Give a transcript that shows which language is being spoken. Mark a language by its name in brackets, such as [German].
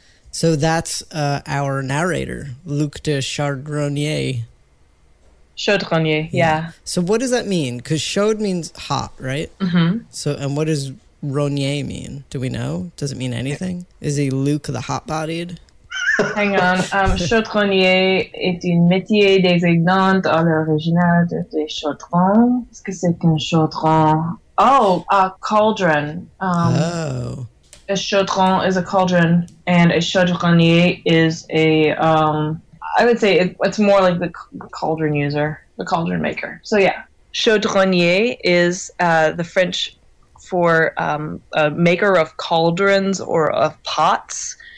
[English] So that's our narrator, Luc de Chaudronnet. Chaudronnier. So what does that mean? Because chaud means hot, right? Mm-hmm. So, and what does Ronnier mean? Do we know? Does it mean anything? Is he Luke the hot-bodied? Hang on. [French] Chaudronnier est un métier désignant à l'origine de chaudron. Est-ce que c'est un chaudron? [English] Oh, a cauldron. A chaudron is a cauldron, and a chaudronnier is a... I would say it's more like the cauldron user, the caldron maker. So yeah, chaudronnier is the French for a maker of cauldrons or of pots.